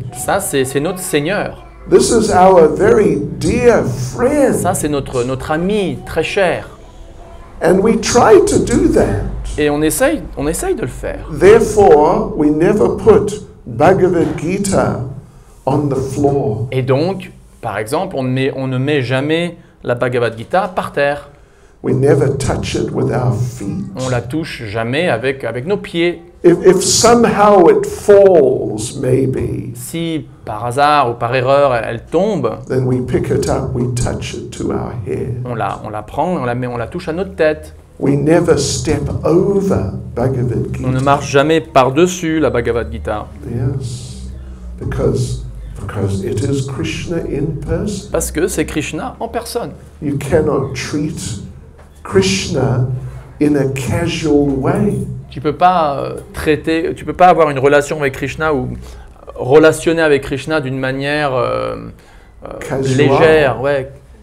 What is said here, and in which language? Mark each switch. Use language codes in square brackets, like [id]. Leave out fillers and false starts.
[fr] Ça, c'est notre Seigneur. [en] This is our very dear friend. [fr] Ça, c'est notre ami très cher. [en] And we try to do that. [fr] Et on essaye de le faire. [en] Therefore, we never put Bhagavad Gita on the floor. [fr] Et donc, par exemple, on ne met jamais la Bhagavad Gita par terre. [en] We never touch it with our feet. [fr] On la touche jamais avec nos pieds. [en] If somehow it falls, maybe. [fr] Si par hasard ou par erreur elle tombe, [en] then we pick it up, we touch it to our head. [fr] On la prend, on la touche à notre tête. [en] We never step over Bhagavad Gita. [fr] On ne marche jamais par-dessus la Bhagavad Gita. [en] Yes, because it is Krishna in person. [fr] Parce que c'est Krishna en personne. [en] You cannot treat Krishna in a casual way. [fr] Tu peux pas avoir une relation avec Krishna ou relationner avec Krishna d'une manière légère, ouais.